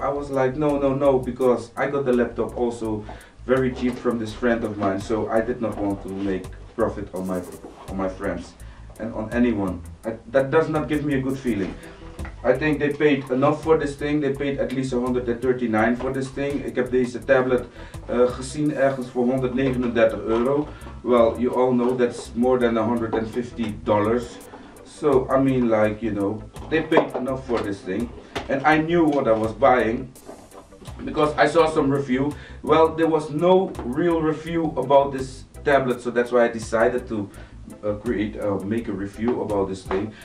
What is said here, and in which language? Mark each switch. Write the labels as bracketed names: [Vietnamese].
[English] I was like, no, because I got the laptop also very cheap from this friend of mine, so I did not want to make profit on my friends and on anyone. That does not give me a good feeling. I think they paid enough for this thing. They paid at least 139 for this thing. [Dutch] Ik heb deze tablet gezien ergens voor €139. [English] Well, you all know that's more than $150. So I mean, like, you know, they paid enough for this thing, and I knew what I was buying because I saw some review. Well, there was no real review about this tablet, so that's why I decided to make a review about this thing.